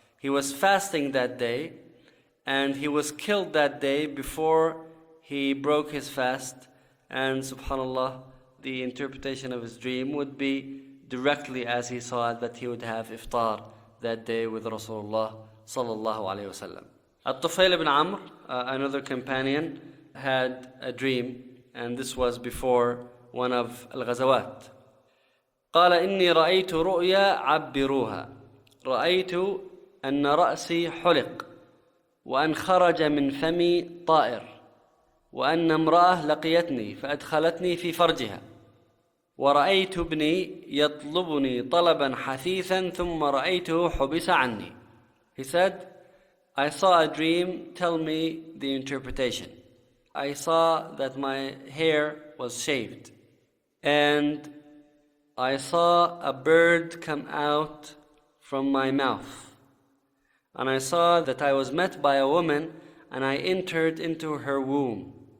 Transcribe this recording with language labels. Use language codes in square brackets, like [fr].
[en] He was fasting that day, and he was killed that day before he broke his fast, and subhanAllah, the interpretation of his dream would be directly as he saw it, that he would have iftar that day with Rasulullah sallallahu alayhi wa sallam. At-Tufayl ibn Amr, another companion, had a dream, and this was before one of al-Ghazawat. [ar] قَالَ إِنِّي رَأَيْتُ رُؤْيَا عَبِّرُوهَا رَأَيْتُ أَنَّ رَأْسِي حُلِقْ وَأَنْ خَرَجَ مِنْ فَمِي طَائِرٌ وأن امرأة لقيتني فأدخلتني في فرجها ورأيت ابني يطلبني طلبا حثيثا ثم رأيته حبس عني. [en] He said, I saw a dream, tell me the interpretation. I saw that my hair was shaved, and I saw a bird come out from my mouth, and I saw that I was met by a woman and I entered into her womb.